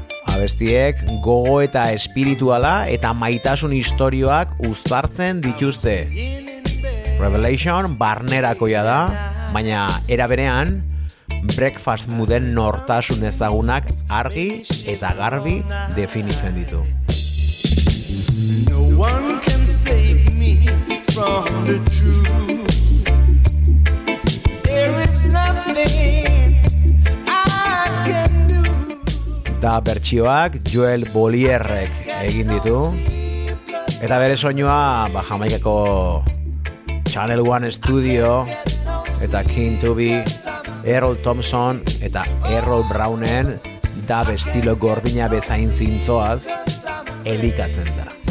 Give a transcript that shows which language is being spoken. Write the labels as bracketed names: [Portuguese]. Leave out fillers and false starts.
[Basque] Abestiek gogo eta espirituala eta maitasun istorioak uztartzen dituzte. Revelation barnerakoia da, baina era berean Breakfast Mooden nortasun ezagunak argi eta garbi definitzen ditu. [English] No one can save me from the truth. There is nothing I can do. [Basque] Da bertsioak Joel Bolierrek egin ditu eta bere soinua Jamaikako Channel One Studio eta King Tubi, Errol Thompson eta Errol Brownen dab estilo gordina bezain zintzoaz elikatzen da.